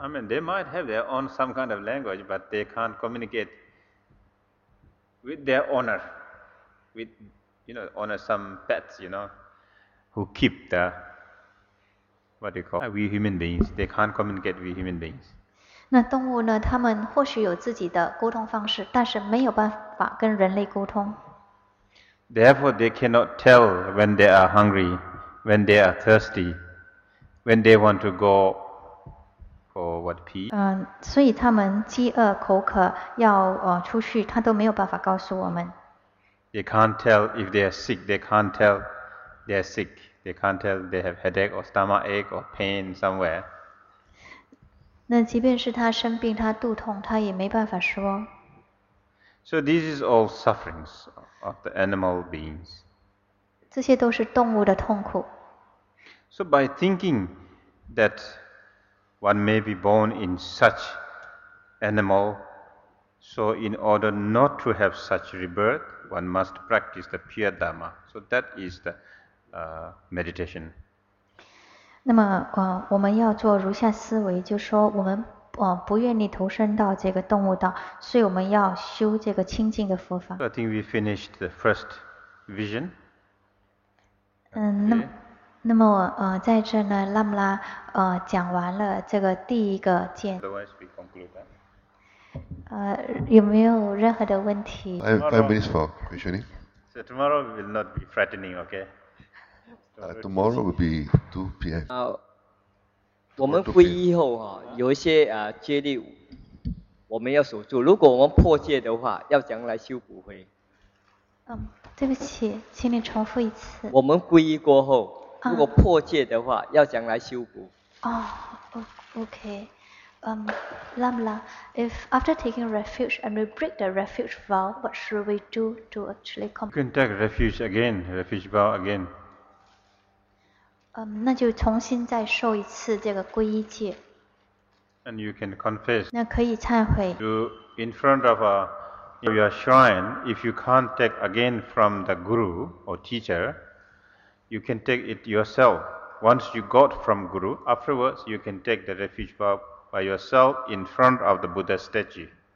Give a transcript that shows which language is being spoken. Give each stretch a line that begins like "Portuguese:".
English: They might have their own some kind of language, but they can't communicate with their owner, with owner some pets, who keep the what do you call we human beings. They can't communicate with human beings.
Chinese: 那动物呢？它们或许有自己的沟通方式，但是没有办法跟人类沟通。
English: Therefore, they cannot tell when they are hungry, when they are thirsty, when they want to go for what pee.
Chinese: 所以它们饥饿、口渴要出去，它都没有办法告诉我们。
English: They can't tell if they are sick. They can't tell they are sick. They can't tell they have headache or stomach ache or pain somewhere.
Chinese: 那即便是他生病，他肚痛，他也没办法说。
English: So this is all sufferings of the animal beings.
Chinese: 这些都是动物的痛苦。
English: So by thinking that one may be born in such animal, so in order not to have such rebirth, one must practice the pure Dhamma. So that is the meditation.
Chinese: 那么我们要做如下思维，就是说我们不愿意投身到这个动物道，所以我们要修这个清净的佛法。
English: I think we finished the first vision.
Chinese: 那么在这呢，拉姆拉讲完了这个第一个见。
English: Otherwise, we conclude.
Chinese: 有没有任何的问题
English: ？5 minutes for questioning. So tomorrow will not be frightening, okay? Tomorrow will be 2 p.m.
Chinese: 我们皈依后啊，有一些啊戒律我们要守住，如果我们破戒的话，要将来修补回。对不起，请你重复一次。我们皈依过后，如果破戒的话，要将来修补。
English: Okay. Lamla, if after taking refuge and we break the refuge vow, what should we do to actually come? You can take refuge again, refuge vow again.
Chinese: 那就重新再受一次这个皈依戒。
English: And you can confess.
Chinese: 那可以忏悔。
English: You in front of your shrine, if you can't take again from the guru or teacher, you can take it yourself. Once you got from guru, afterwards you can take the refuge vow by yourself in front of the Buddha statue.